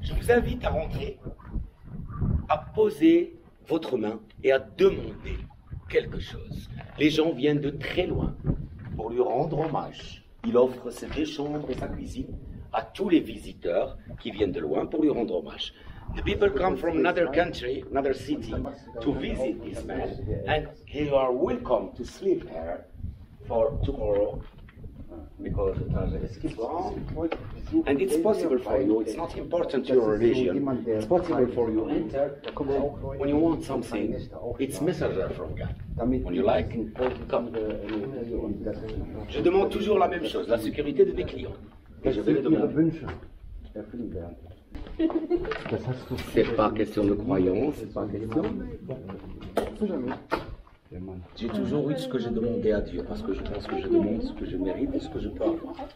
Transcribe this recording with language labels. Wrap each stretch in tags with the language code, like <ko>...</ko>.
<fr>Je vous invite à rentrer, à poser votre main et à demander quelque chose. Les gens viennent de très loin pour lui rendre hommage. Il offre ses deux chambres et sa cuisine à tous les visiteurs qui viennent de loin pour lui rendre hommage.</fr> <en>The people come from another country, another city, to visit this man, and you are welcome to sleep here for tomorrow, because it's wrong, and it's possible for you, it's not important to your religion, it's possible for you to enter, when you want something, it's messenger from God, when you like, come.</en> <fr>Je demande toujours la même chose, la sécurité de mes clients, et je vais le demander. C'est pas question de croyance. J'ai toujours eu ce que j'ai demandé à Dieu parce que je pense que je demande ce que je mérite et ce que je peux avoir.</fr>